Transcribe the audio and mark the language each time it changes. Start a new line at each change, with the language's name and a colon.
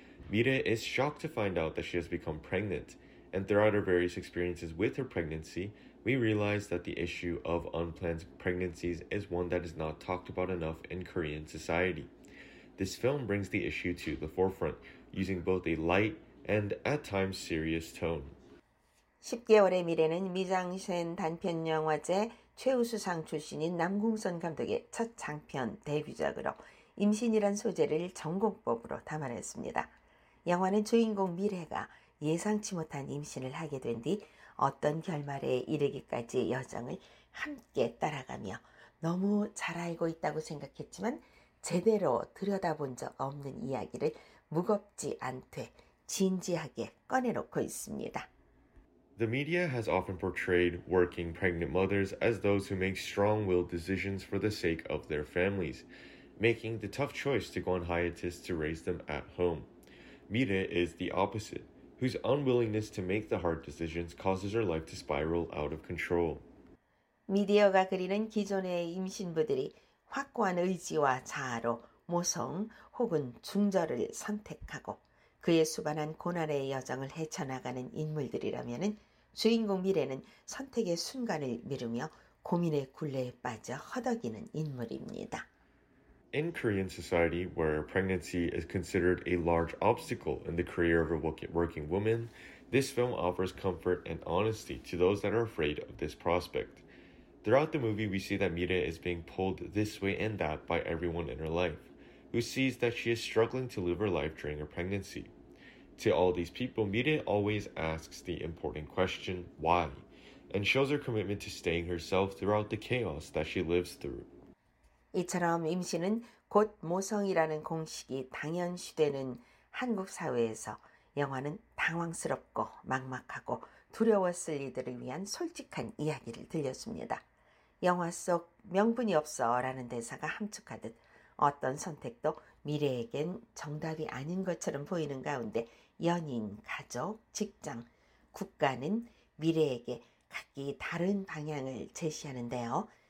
English: Mira is shocked to find out that she has become pregnant, and throughout her various experiences with her pregnancy, we realize that the issue of unplanned pregnancies is one that is not talked about enough in Korean society. This film brings the issue to the forefront, using both a light and at times serious tone.
Korean: 10개월의 미래는 미장센 단편 영화제 최우수상 출신인 남궁선 감독의 첫 장편 데뷔작으로 임신이란 소재를 전공법으로 담아냈습니다. 영화는 주인공 미래가 예상치 못한 임신을 하게 된 뒤 어떤 결말에 이르기까지의 여정을 함께 따라가며 너무 잘 알고 있다고 생각했지만 제대로 들여다본 적 없는 이야기를 무겁지 않되 진지하게 꺼내놓고 있습니다.
English: The media has often portrayed working pregnant mothers as those who make strong-willed decisions for the sake of their families, making the tough choice to go on hiatus to raise them at home. Mira is the opposite, whose unwillingness to make the hard decisions causes her life to spiral out of control.
Korean: 미디어가 그리는 기존의 임신부들이 확고한 의지와 자아로 모성 혹은 중절을 선택하고 그에 수반한 고난의 여정을 헤쳐나가는 인물들이라면은 주인공 미래는 선택의 순간을 미루며 고민의 굴레에 빠져 허덕이는 인물입니다.
English: In Korean society, where pregnancy is considered a large obstacle in the career of a working woman, this film offers comfort and honesty to those that are afraid of this prospect. Throughout the movie, we see that Mira is being pulled this way and that by everyone in her life, who sees that she is struggling to live her life during her pregnancy. To all these people, Mira always asks the important question, why, and shows her commitment to staying herself throughout the chaos that she lives through.
Korean: 이처럼 임신은 곧 모성이라는 공식이 당연시되는 한국 사회에서 영화는 당황스럽고 막막하고 두려웠을 이들을 위한 솔직한 이야기를 들렸습니다. 영화 속 명분이 없어라는 대사가 함축하듯 어떤 선택도 미래에겐 정답이 아닌 것처럼 보이는 가운데 연인, 가족, 직장, 국가는 미래에게 각기 다른 방향을 제시하는데요.